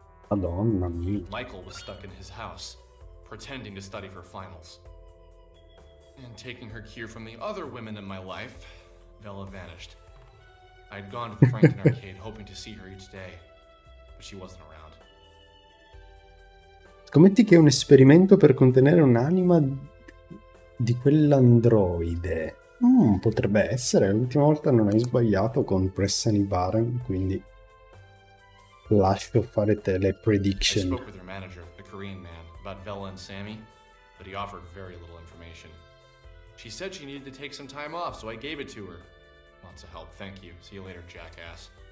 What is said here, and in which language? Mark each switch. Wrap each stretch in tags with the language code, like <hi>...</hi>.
<it>Madonna mia.</it> <en>Michael was stuck in his house, pretending to study for finals. And taking her cue from the other women in my life, Vella vanished. I had gone to the Franken Arcade hoping to see her each day, but she wasn't around.</en> <it>Scommetti che è un esperimento per contenere un'anima di quell'androide. Potrebbe essere. L'ultima volta non hai sbagliato con Press Any Button, quindi lascio fare te le prediction.</it> <en>I spoke with her manager, a Korean man, about Vella and Sammy, but he offered very little information. She said she needed to take some time off, so I gave it to her. Lots of help, thank you. See you later, jackass.</en>